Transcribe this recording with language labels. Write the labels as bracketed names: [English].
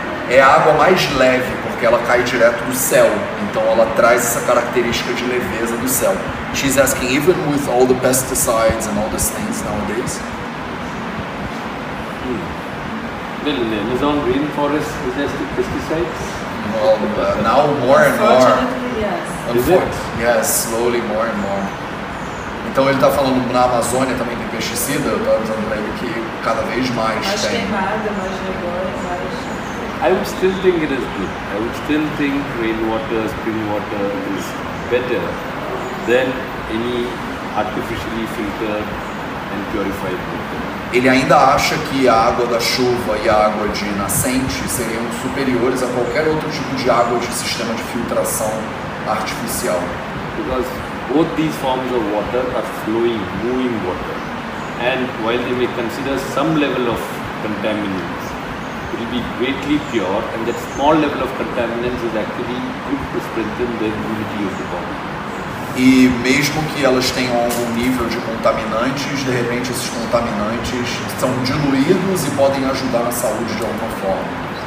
[Portuguese] é a água mais leve porque ela cai direto do céu, então ela traz essa característica de leveza do céu. [English] She's asking, even with all the pesticides and all these things nowadays. Well, in the Amazon rainforest, is there still pesticides? Well, now more and more. Unfortunately, yes. Yes, slowly more and more. [Portuguese] Então ele está falando na Amazônia também tem pesticida. Eu estava dizendo para ele que cada vez mais tem. Mais queimada, mais negócio. [English] I would still think it is good. I would still think rainwater, spring water is better than any artificially filtered and purified water. [Portuguese] Ele ainda acha que a água da chuva e a água de nascente seriam superiores a qualquer outro tipo de água de sistema de filtração artificial. [English] Because both these forms of water are flowing, moving water. And while they may consider some level of contaminants, it will be greatly pure, and that small level of contaminants is actually good to strengthen the immunity of the body. [Portuguese] E mesmo que elas tenham algum nível de contaminantes, de repente esses contaminantes são diluídos e podem ajudar na saúde de alguma forma.